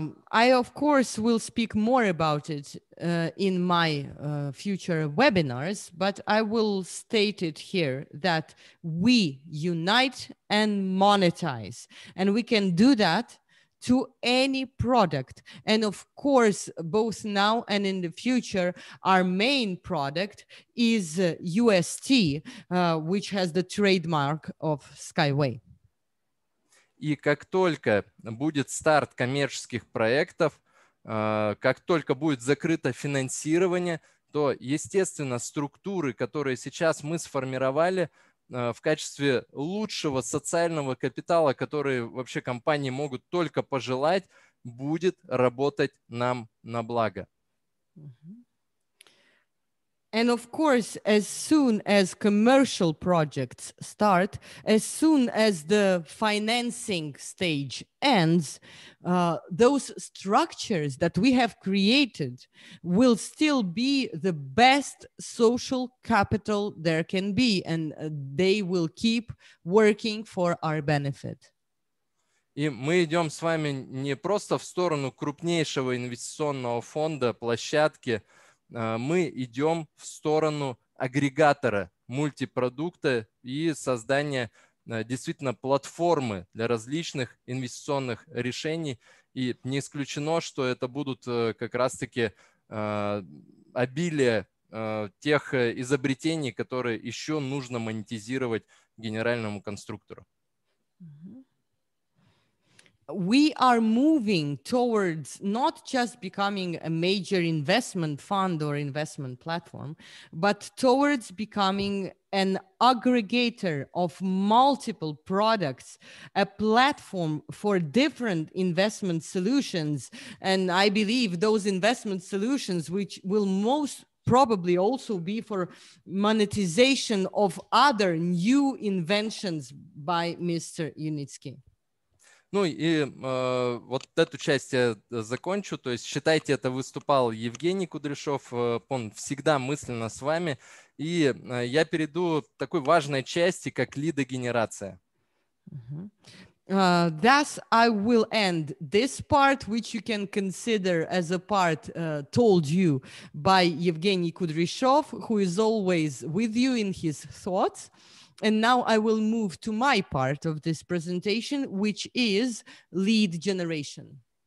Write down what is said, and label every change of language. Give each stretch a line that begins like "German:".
English: I, of course, will speak more about it in my future webinars, but I will state it here that we unite and monetize, and we can do that to any product. And of course, both now and in the future, our main product is UST, which has the trademark of Skyway.
Russian: И как только будет старт коммерческих проектов, как только будет закрыто финансирование, то, естественно, структуры, которые сейчас мы сформировали в качестве лучшего социального капитала, который вообще компании могут только пожелать, будет работать нам на благо.
English: And of course, as soon as commercial projects start, as soon as the financing stage ends, those structures that we have created will still be the best social capital there can be, and they will keep working for our benefit.
Russian: И мы идем с вами не просто в сторону крупнейшего инвестиционного фонда, площадки, мы идем в сторону агрегатора мультипродукта и создания действительно платформы для различных инвестиционных решений. И не исключено, что это будут как раз-таки обилие тех изобретений, которые еще нужно монетизировать генеральному конструктору.
English: We are moving towards not just becoming a major investment fund or investment platform, but towards becoming an aggregator of multiple products, a platform for different investment solutions. And I believe those investment solutions, which will most probably also be for monetization of other new inventions by Mr. Unitsky.
Russian: Ну и вот эту часть я закончу. То есть считайте, это выступал Евгений Кудряшов, он всегда мысленно с вами. И я перейду к такой важной части, как лидогенерация.
English: Thus, I will end this part, which you can consider as a part told you by Евгений Кудряшов, who is always with you in his thoughts. And now I will move to my part of this presentation, which is lead generation.